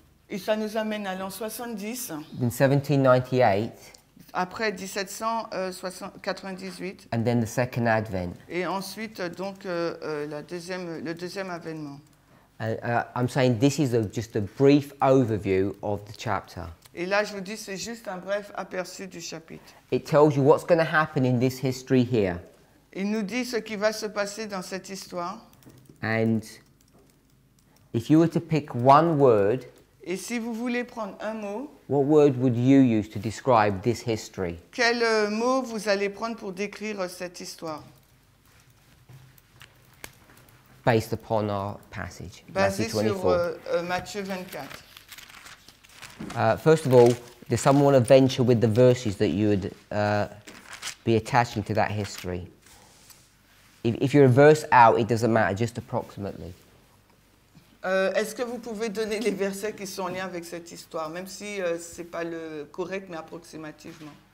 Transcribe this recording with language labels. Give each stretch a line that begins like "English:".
French: Et ça nous amène à l'an 70.
English: In 1798.
French: Après 1798.
English: And then the second advent.
French: Et ensuite donc le deuxième avènement.
English: I'm saying this is just a brief overview of the chapter.
French: Et là, je vous dis, c'est juste un bref aperçu du chapitre.
English: It tells you what's going to happen in this history here.
French: Il nous dit ce qui va se passer dans cette histoire.
English: And if you were to pick one word,
French: et si vous voulez prendre un mot,
English: what word would you use to describe this history?
French: Quel mot vous allez prendre pour décrire cette histoire?
English: Based upon our passage,
French: Matthew 24. Basé sur Matthieu 24.
English: First of all, does someone want to venture with the verses that you would be attaching to that history? If you're a verse out, it doesn't matter, just approximately.
French: Est-ce que vous pouvez donner les versets qui sont en lien avec cette histoire, même si ce n'est pas le correct, mais approximativement?